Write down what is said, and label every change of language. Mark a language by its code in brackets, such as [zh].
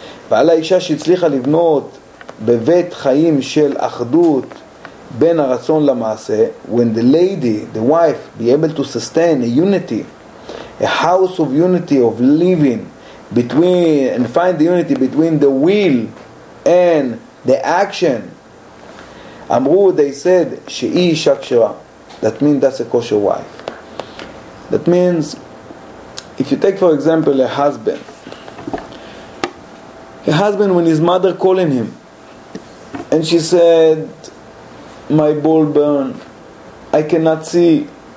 [he] ועל האישה שהצליחה לבנות בבית חיים של אחדות בין הרצון למעשה, [en] when the lady, the wife, be able to sustain a unity, a house of unity, of living between, and find the unity between the will and the action. [he] אמרו, [en] they said, [he] שהיא אישה כשרה. [en] That means that's a kosher wife. That means, if you take for example a husband, when his mother calling him, And she said, my bowl burned. I cannot see.